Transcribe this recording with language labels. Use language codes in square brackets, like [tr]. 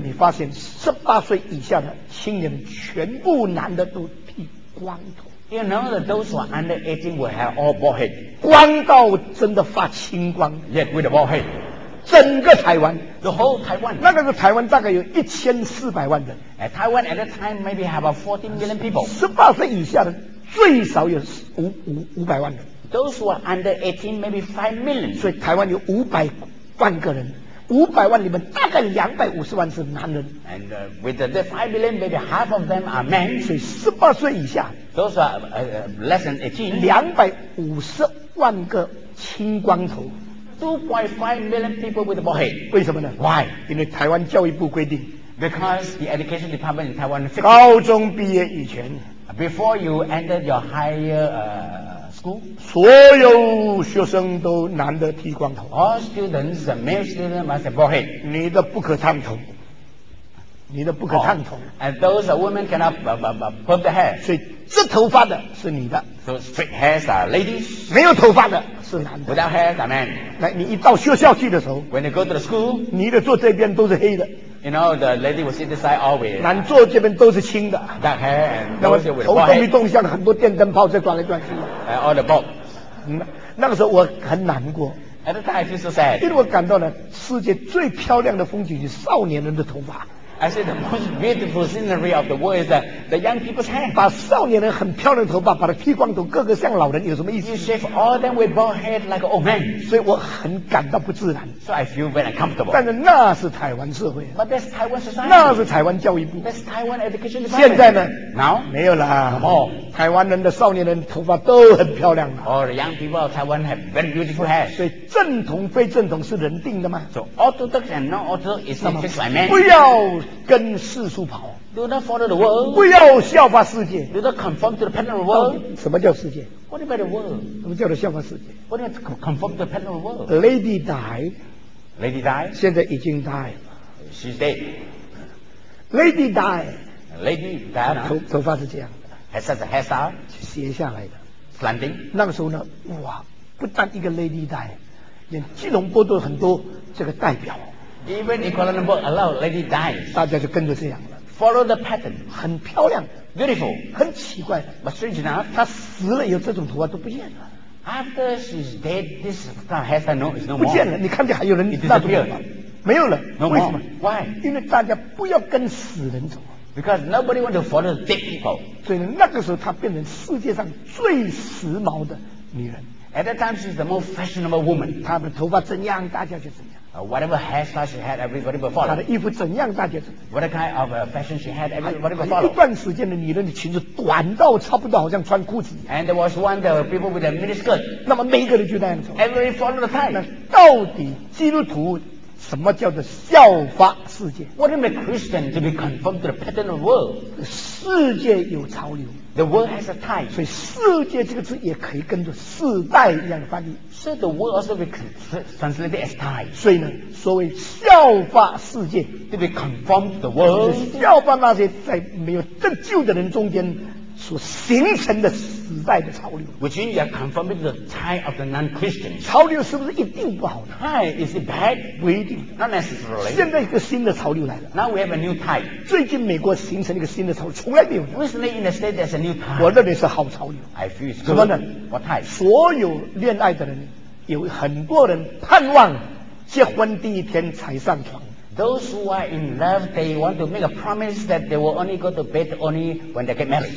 [zh] 你发现18岁以下的青年全部男的都剃光头。 [en] You know that those who are under 18 will have all bald head。 [zh] 光到真的发青光。 [en] Yeah, with a bald head。 [zh] 整个台湾 [en] ，the whole Taiwan。 [zh] 那个时候台湾大概有1400万人。 [en] At Taiwan at that time maybe have about 14 million people。 [zh] 18岁以下的最少有500万人。 [en] Those who are under 18 maybe 5 million。 [zh] 所以台湾有500万个人。500万里面大概250万是男人 [en] ，and with the 5 million maybe half of them are men， [zh] 所以18岁以下 [en] ，those are less than 18， [zh] 250万个青光头 [en] ，2.5 million people with a bald head， [zh] 为什么呢 [en] ？Why？ [zh] 因为台湾教育部规定 [en] ，because the education department in Taiwan， [zh] 高中毕业以前 [en] ，before you entered your higher [zh] 所有学生都男的剃光头。 [en] All students, the male students must have bald head. [zh] 女的不可烫头。女的不可烫头。 [en] And those women cannot perm the hair. [zh] 所以直头发的是女的。 [en] So straight hairs are ladies. [zh] 没有头发的是男的。 [en] Without hair, are men. [zh] 那你一到学校去的时候 [en] ，When you go to the school, [zh] 女的坐这边都是黑的。 [en] You know the lady will sit this side always. [zh] 男坐这边都是青的。 [en] That hair and those with bald [zh] head. 头动一动像很多电灯泡在转来转去。 [en] All the bald. [zh] 那个时候我很难过。 [en] At that time I feel so sad. [zh] 因为我感到呢，世界最漂亮的风景是少年人的头发。 [en] I say the most beautiful scenery of the world is the young people's hair. [zh] 把少年人很漂亮的头发把它剃光头，个个像老人，有什么意思 [en] ？You shave all them with bald head like old man. [zh] 所以我很感到不自然。 [en] So I feel very uncomfortable. [zh] 但是那是台湾社会。 [en] But that's Taiwan society. [zh] 那是台湾教育部。 [en] That's Taiwan education department. [zh] 现在呢 [en] ？Now [zh] 没有啦。哦，台湾人的少年人头发都很漂亮了。 [en] Oh, the young people of Taiwan have very beautiful hair. [zh] 所以正统非正统是人定的吗 [en] ？So orthodox and non-orthodox is not fixed by man. [zh] 不要。跟世俗跑 [en] ，Do not follow the world。 [zh] 不要效法世界 [en] ，Do not conform to the pattern of the world。 [zh] 什么叫世界 [en] ？What about the world？ [zh] 什么叫做效法世界 [en] ？What about conform to the pattern of the world？ Lady died。 Lady died。 [zh] 现在已经 died。 [en] She's dead。 Lady died。 Lady died。 [zh] 头发是这样的。 [en] Has such a hairstyle。 [zh] 斜下来的。 [en] Slanting。 [zh] 那个时候呢，哇，不但一个 Lady died， 连吉隆坡都很多这个代表。 [en] Even in Kuala Lumpur, allow lady dies. [zh] 大家就跟着这样了。 [en] Follow the pattern. [zh] 很漂亮 [en] Beautiful. [zh] 很奇怪的 [en] But strange enough, [zh] 他死了以后这种头发都不见了。 [en] After she's dead, this has no more. [zh] 不见了，你看见还有人那种吗？没有了。 [en] No、 [zh] 为什么 [en] ？Why？ [zh] 因为大家不要跟死人走。 [en] Because nobody want to follow dead people. [zh] 所以那个时候，她变成世界上最时髦的女人。 [en] At that time, she's the most fashionable woman. [zh] 她的头发怎样，大家就怎样。 [en] Whatever hairstyle she had, everybody would follow. [zh] 她的衣服怎样，大家怎样。 [en] What kind of fashion she had, everybody would follow. [zh] 一段时间的女人的裙子短到差不多好像穿裤子。 [en] And there was one that people with a mini skirt. [zh] 那么每个人就那样走。 [en] Everybody follow the time. [zh] 那到底基督徒什么叫做效法世界 [en] ？What is a Christian to be conformed to the pattern of the world？ [zh] 世界有潮流 [en] ，The world has a time。 [zh] 所以世界这个字也可以跟着世代一样翻译。 [en] So the world also be translated as time。 [zh] 所以呢，所谓效法世界 [en] ，to be conformed to the world， [zh] 效法那些在没有得救的人中间所形成的时代的潮流 [en] ，which means you are confirming the time of the non-Christians。 [zh] 潮流是不是一定不好 [en] ？Time is it bad? [zh] 不一定 [en] ，not necessarily。 [zh] 现在一个新的潮流来了 [en] ，now we have a new time。 [zh] 最近美国形成一个新的潮流，从来没有。 [en] Recently in the state there's a new time。 [zh] 我认为是好潮流。 [en] I feel it's good。 [zh] 什么呢 [en] ？What time？ [zh] 所有恋爱的人，有很多人盼望结婚第一天才上床。 [en] Those who are in love, they want to make a promise that they will only go to bed only when they get married.